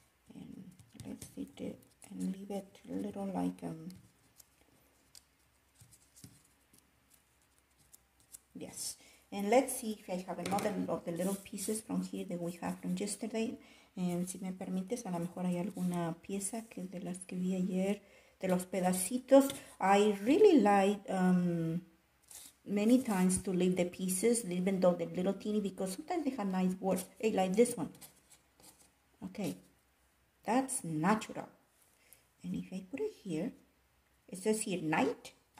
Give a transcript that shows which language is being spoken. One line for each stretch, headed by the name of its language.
English: And let's see it and leave it a little like yes. And let's see if I have another of the little pieces from here that we have from yesterday.
Spanish: Si me permites, a lo mejor hay alguna pieza que de las que vi ayer. De los pedacitos,
English: I really like many times to leave the pieces, even though they're little teeny, because sometimes they have nice words. Hey, like this one. Okay, that's natural. And if I put it here, it says here night.